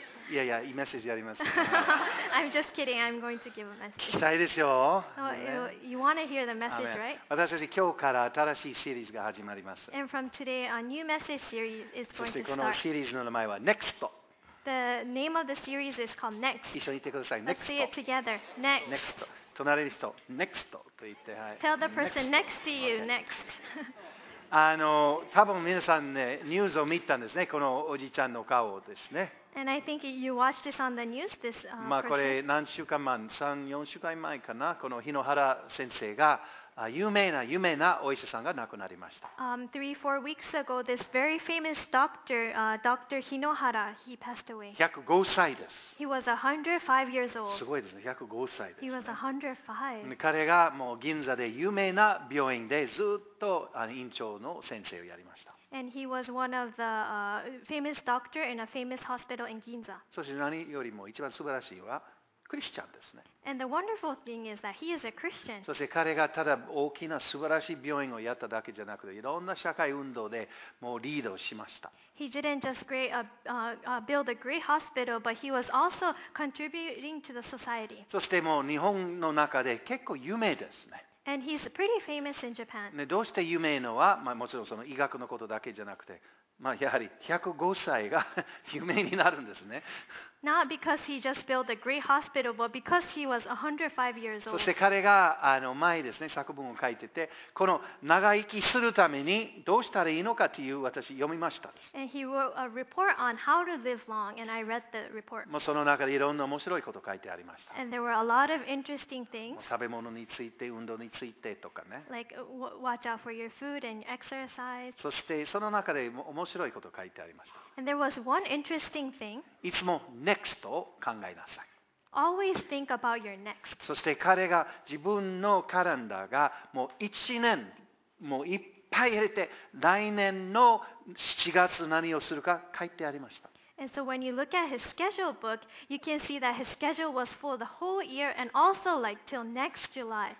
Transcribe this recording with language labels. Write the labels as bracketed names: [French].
[Japanese] いやいや、いいメッセージあります。 [English] I'm just kidding. I'm going to give a message. [Japanese] 聞きたいですよ。 [English] You want to hear the message, right? [Japanese] 私たち今日から新しいシリーズが始まります。 [English] And from today, a new message series is going to start. [Japanese] そしてこのシリーズの名前は NEXT. [English] The name of the series is called Next. [Japanese] 一緒に言ってください。 [English] Next. Let's say it together. Next. [Japanese] Next. 隣の人、Next と言って、はい。 [English] Tell the person next to you, Next. [Japanese] 多分皆さんね、ニュースを見たんですね、このおじちゃんの顔ですね。 [English] And I think you watched this on the news this person. [Japanese] まあこれ何週間前、3、4週間前かな、この日野原先生が、有名なお医者さんが亡くなりました。 [English] 3、4 weeks ago, this very famous doctor, Dr. Hinohara, he passed away. [Japanese] 105歳です。 [English] He was 105 years old. [Japanese] すごいですね、105歳です、ね。 [English] He was 105. [Japanese] 彼がもう銀座で有名な病院でずっと院長の先生をやりました。 [English] And he was one of the famous doctor in a famous hospital in Ginza. [Japanese] そして何よりも一番素晴らしいはクリスチャンですね。 [English] And the wonderful thing is that he is a Christian. [Japanese] そして彼がただ大きな素晴らしい病院をやっただけじゃなくて、いろんな社会運動でもうリードしました。 [English] He didn't just create build a great hospital, but he was also contributing to the society. [Japanese] そしてもう日本の中で結構有名ですね。 [English] And he's pretty famous in Japan. [Japanese] ね、どうして有名のは、まあ、もちろんその医学のことだけじゃなくて、まあ、やはり105歳が有名になるんですね。 [English] Not because he just built a great hospital, but because he was 105 years old. [Japanese] そして彼が前ですね、作文を書いてて、この長生きするためにどうしたらいいのかという私読みました。 [English] And he wrote a report on how to live long, and I read the report. [Japanese] もうその中でいろんな面白いこと書いてありました。 [English] And there were a lot of interesting things. [Japanese] 食べ物について、運動についてとかね。 [English] Like watch out for your food and exercise. [Japanese] そしてその中で面白いこと書いてありました。 [English] And there was one interesting thing. [Japanese] いつもNEXT を考えなさい。 [English] Always think about your next. [Japanese] そして彼が自分のカレンダーがもう1年もういっぱい入れて来年の7月何をするか書いてありました。 [English] And so when you look at his schedule book, you can see that his schedule was full the whole year and also like till next July.